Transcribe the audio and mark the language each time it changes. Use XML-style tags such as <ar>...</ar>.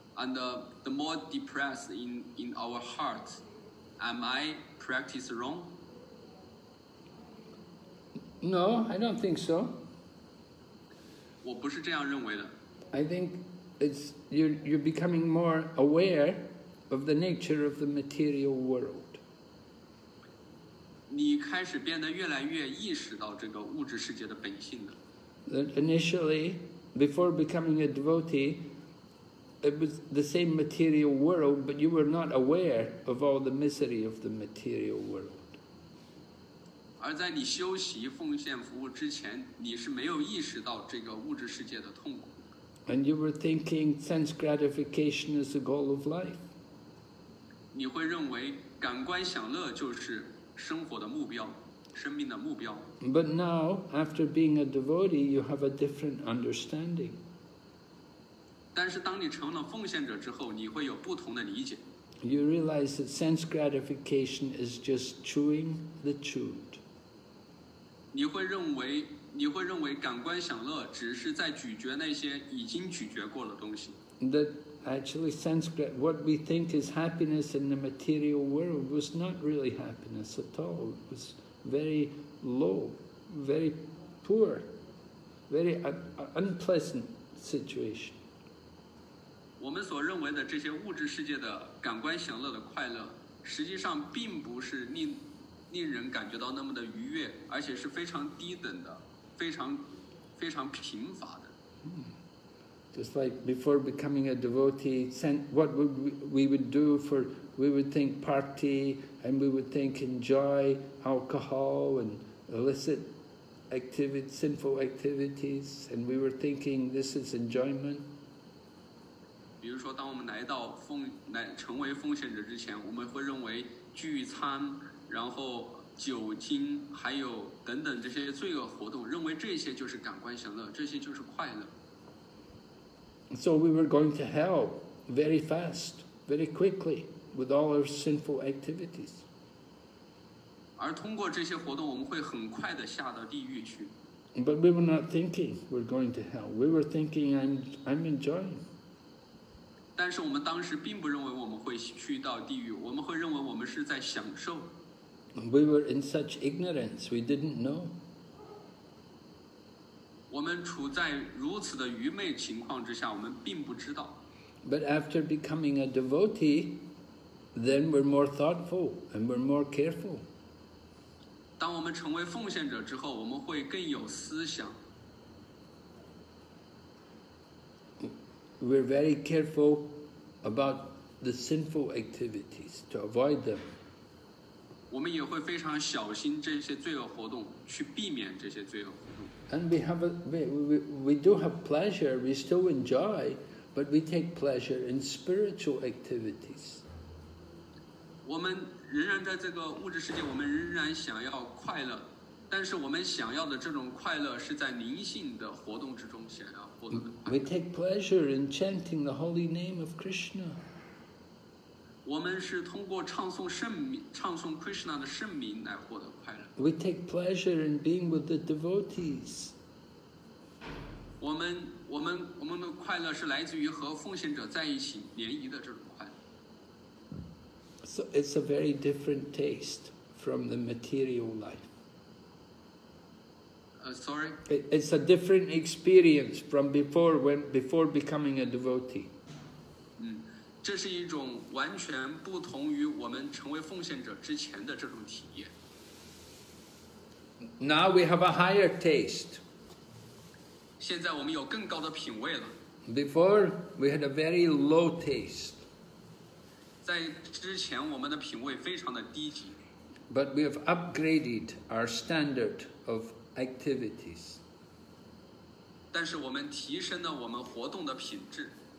<en>And the more depressed in our hearts, am I practice wrong? No, I don't think so.</en> <zh>我不是这样认为的。</zh> <en>I think it's you're becoming more aware of the nature of the material world.</en> <zh>你开始变得越来越意识到这个物质世界的本性了。</zh> <en>That initially, before becoming a devotee,It was the same material world, but you were not aware of all the misery of the material world.</en> <zh>而在你修习奉献服务之前，你是没有意识到这个物质世界的痛苦。</zh> <en>And you were thinking sense gratification is the goal of life.</en> <zh>你会认为感官享乐就是生活的目标，生命的目标。</zh> <en>But now, after being a devotee, you have a different understanding.</en> <zh>但是当你成了奉献者之后，你会有不同的理解。</zh> <en>You realize that sense gratification is just chewing the chewed.</en> <zh>你会认为感官享乐只是在咀嚼那些已经咀嚼过的东西。</zh> <en>That actually sense, what we think is happiness in the material world was not really happiness at all. It was very low, very poor, very unpleasant situation.</en> <zh>我们所认为的这些物质世界的感官享乐的快乐，实际上并不是令人感觉到那么的愉悦，而且是非常低等的，非常贫乏的。</zh> <en>Just like before becoming a devotee, what would we would do for, we would think party, and we would think enjoy alcohol and illicit activities, sinful activities, and we were thinking this is enjoyment.</en> <zh>比如说当我们来到奉来成为奉献者之前，我们会认为聚餐，然后酒精，还有等等这些罪恶活动，认为这些就是感官享乐，这些就是快乐。</zh> <en>So we were going to hell very fast, very quickly, with all our sinful activities.</en> <zh>而通过这些活动，我们会很快地下到地狱去。</zh> <en>But we were not thinking we're going to hell. We were thinking I'm enjoying.</en> <zh>但是我们当时并不认为我们会去到地狱，我们会认为我们是在享受。</zh> <en>We were in such ignorance, we didn't know.</en> <zh>我们处在如此的愚昧情况之下，我们并不知道。</zh> <en>But after becoming a devotee, then we're more thoughtful and we're more careful.</en> <zh>当我们成为奉献者之后，我们会更有思想。</zh> <en>We're very careful about the sinful activities to avoid them.</en> <zh>我们也会非常小心这些罪恶活动，去避免这些罪恶活动。</zh> <en>And we have we do have pleasure, we still enjoy, but we take pleasure in spiritual activities.</en> <zh>我们仍然在这个物质世界，我们仍然想要快乐，但是我们想要的这种快乐是在灵性的活动之中想要获得的。</zh> <en>We take pleasure in chanting the holy name of Krishna.</en> <zh>我们是通过唱诵 Krishna 的圣名来获得快乐。</zh> <en>We take pleasure in being with the devotees.</en> <zh>我们的快乐是来自于和奉献者在一起联谊的这种快乐。</zh> <en>So it's a very different taste from the material life. It's a different experience from before becoming a devotee.</en> <zh>这是一种完全不同于我们成为奉献者之前的这种体验。</zh> <en>Now we have a higher taste.</en> <zh>现在我们有更高的品味了。</zh> <en>Before we had a very low taste.</en> <zh>在之前我们的品味非常的低级。</zh> <en>But we have upgraded our standard of activities.</en> <zh>但是我们提升了我们活动的品质。</zh>